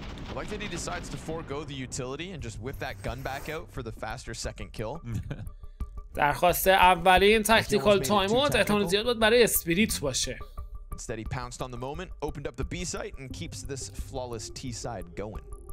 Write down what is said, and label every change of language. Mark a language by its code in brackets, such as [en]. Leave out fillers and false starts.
[en] I like that he decides to forego the utility and just whip that gun back out for the faster second kill. [fa] درخواست اولین تاکتیکال تایم اوت احتمال زیاد بود برای اسپریتس باشه. [en] Steady pounced on the moment, opened up the B site and keeps this flawless T side going.